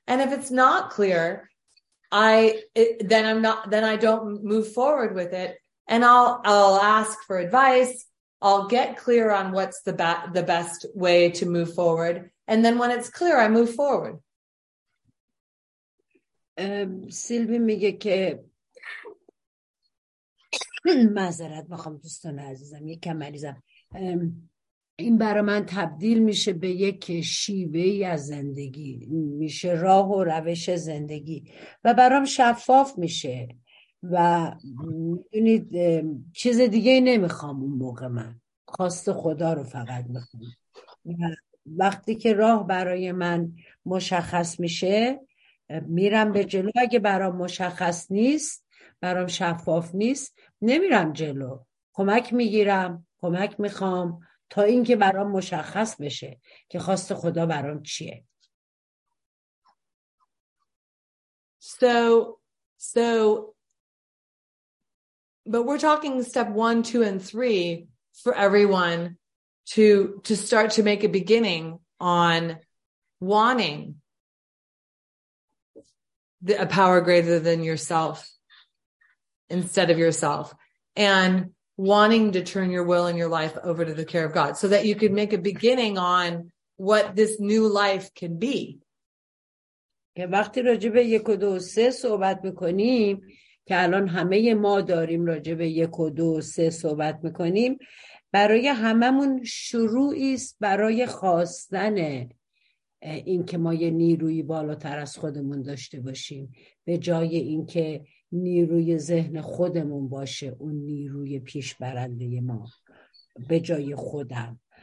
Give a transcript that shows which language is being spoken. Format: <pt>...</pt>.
<en>And if it's not clear, I don't move forward with it. And I'll ask for advice. I'll get clear on what's the best way to move forward. And then when it's clear, I move forward.</en> <fa>Sylvie میگه که معذرت میخوام دوستان عزیزم یکم مریضم، این برای من تبدیل میشه به یک شیوه ای از زندگی، میشه راه و روش زندگی و برام شفاف میشه و میدونید چیز دیگه نمیخوام. اون موقع من خواست خدا رو فقط میخوام. وقتی که راه برای من مشخص میشه میرم به جلو، اگه برام مشخص نیست، برام شفاف نیست، نمیرم جلو، کمک میگیرم، کمک میخوام تا اینکه برام مشخص بشه که خواست خدا برام چیه.</fa> <en>So but we're talking step 1, 2, and 3 for everyone to start to make a beginning on wanting a power greater than yourself instead of yourself, and wanting to turn your will and your life over to the care of God so that you could make a beginning on what this new life can be.</en> <fa>وقتی راجع به 1 و 2 و 3 صحبت می‌کنیم که الان همه ما داریم راجع به 1 و 2 و 3 صحبت می‌کنیم، برای هممون شروعی است برای خواستن این که ما یه نیروی بالاتر از خودمون داشته باشیم، به جای اینکه نیروی ذهن خودمون باشه اون نیروی پیش برنده ما به جای خودم.</fa>